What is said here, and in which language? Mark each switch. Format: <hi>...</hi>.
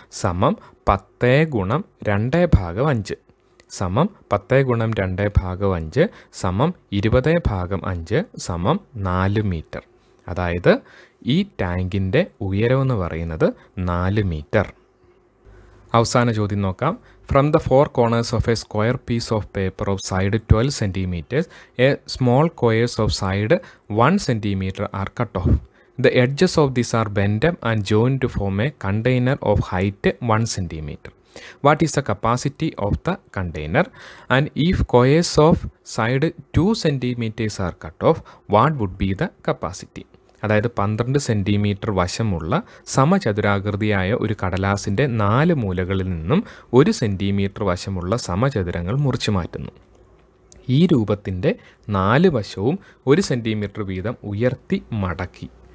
<ml>സമം 10/2 സമം 10/2 സമം 20/5 സമം 4 മീറ്റർ. അതായത് ഈ ടാങ്കിൻ്റെ ഉയരമെന്ന് പറയുന്നത് 4 മീറ്റർ. അവസാന ചോദ്യം നോക്കാം.</ml> <en>From the four corners of a square piece of paper of side 12 centimeters, a small squares of side 1 centimeter are cut off. The edges of these are bent and joined to form a container of height 1 centimeter. What is the capacity of the container? And if squares of side 2 centimeters are cut off, what would be the capacity?</en> <ml>അതായത് 12 centimetre വശമുള്ള സമചതുരാകൃതിയായ ഒരു കടലാസിൻ്റെ 4 മൂലകളിൽ നിന്നും 1 centimetre വശമുള്ള സമചതുരങ്ങൾ മുറിച്ചു മാറ്റുന്നു. ഈ രൂപത്തിൻ്റെ 4 വശവും 1 centimetre വീതം ഉയർത്തി മടക്കി.</ml>